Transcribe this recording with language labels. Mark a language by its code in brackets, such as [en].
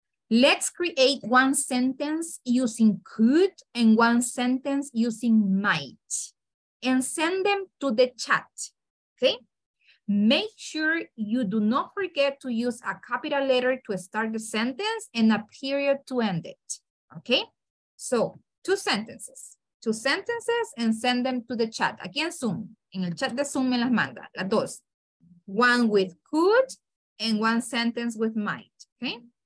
[en] Let's create one sentence using could and one sentence using might and send them to the chat, okay? Make sure you do not forget to use a capital letter to start the sentence and a period to end it, okay? So two sentences and send them to the chat. [es] Aquí en Zoom, en el chat de Zoom me las manda, las dos. [en] One with could and one sentence with might, okay?